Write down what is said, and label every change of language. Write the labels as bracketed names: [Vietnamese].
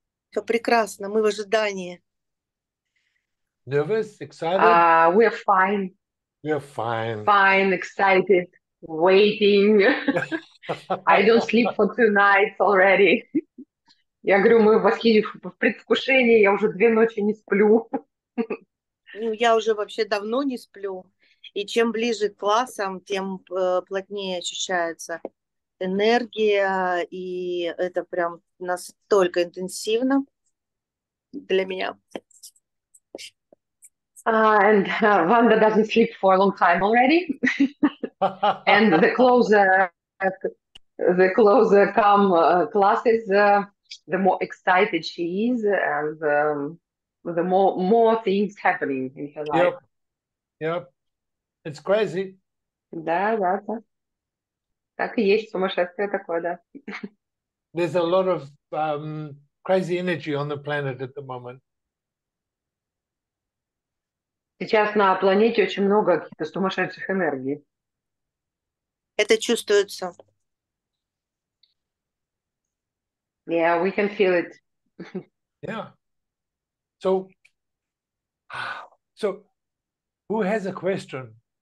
[Russian] Все прекрасно, мы в ожидании. [English] Nervous, excited? We're We're fine. fine. Fine, excited, waiting. I don't sleep for tonight already. [Russian] Я говорю, мы в предвкушении, я уже 2 ночи не сплю. Ну, я уже вообще давно не сплю. И чем ближе к классам, тем плотнее ощущается энергия. И это прям настолько интенсивно для меня. [English] And Wanda doesn't sleep for a long time already. And the closer come classes, the more excited she is, and the more things happening in her life. Yep. It's crazy. [Russian] Да. Так и есть, сумасшествие такое, да. [English] There's a lot of crazy energy on the planet at the moment. [Russian] Сейчас на планете очень много каких-то сумасшедших энергий. Это чувствуется. [English] Yeah, we can feel it. Yeah. So, who has a question?